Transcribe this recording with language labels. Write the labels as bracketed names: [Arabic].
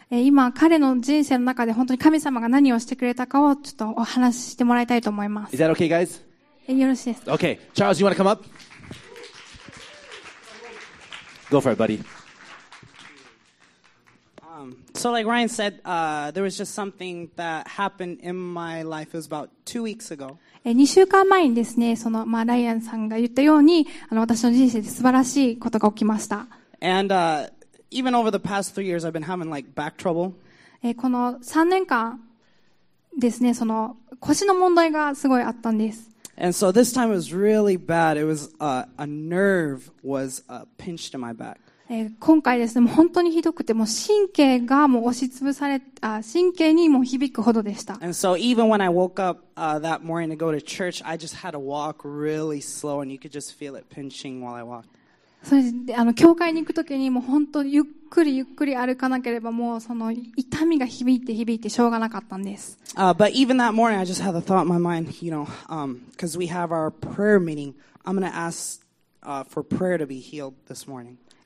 [Japanese] 今彼の人生の中で本当に神様が何をしてくれたかをちょっとお話ししてもらいたいと思います。 [English] Is that okay, guys? [Japanese] よろしいですか。 [English] Okay, Charles, you want to come up? Go for it, buddy. So like Ryan said, there was just something that happened in my life. It was about 2 weeks ago. [Japanese] 2週間前にですね、その、まあ、ライアンさんが言ったように、私の人生で素晴らしいことが起きました。 [English] And, even over the past 3 years, I've been having like back trouble. [Japanese] この3年間ですね、その腰の問題がすごいあったんです。 [English] And so this time it was really bad. It was, a nerve was, pinched in my back. [Japanese] 今回ですね、もう本当にひどくて、もう神経がもう押しつぶされ、神経にもう響くほどでした。 [English] And so even when I woke up, that morning to go to church, I just had to walk really slow and you could just feel it pinching while I walked. [Japanese] それで、教会に行くときにもう本当ゆっくりゆっくり歩かなければもうその痛みが響いて響いてしょうがなかったんです。 [English] But even that morning, I just had a thought in my mind, you know, because we have our prayer meeting, I'm going to ask, for prayer to be healed this morning.